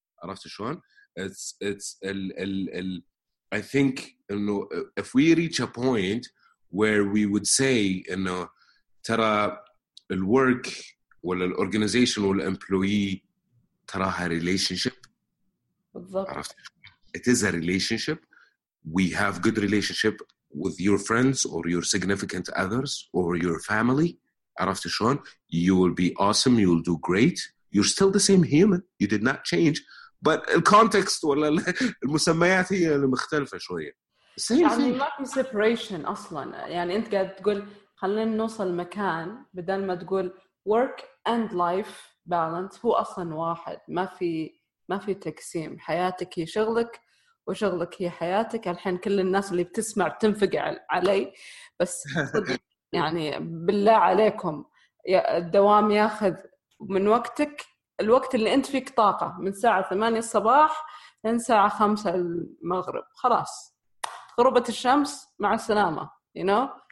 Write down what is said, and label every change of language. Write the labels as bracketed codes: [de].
[ar] عرفت شلون؟ [en] It's ال I think إنه if we reach a point where we would say [ar] إنه ترى ال [en] work ولا ال organization ولا employee [ar] تراها [en] relationship. [ar] بالضبط. [en] It is a relationship. We have good relationship with your friends or your significant others or your family. [ar] عرفت شلون, [en] you will be awesome. You will do great. You're still the same human. You did not change. But the context [ar] ولا المسميات هي المختلفة شوية. [en] Same thing. يعني lack of separation [ar] أصلاً. يعني أنت قاعد تقول خلينا نوصل مكان بدل ما تقول [en] work and life balance. [ar] هو أصلاً واحد. ما في تقسيم. حياتك هي شغلك وشغلك هي حياتك. الحين كل الناس اللي بتسمع تنفقع علي, بس يعني بالله عليكم الدوام ياخذ من وقتك, الوقت اللي انت فيك طاقة من الساعة 8 الصباح لين الساعة 5 المغرب, خلاص غروبة الشمس, مع السلامة, [en] you know.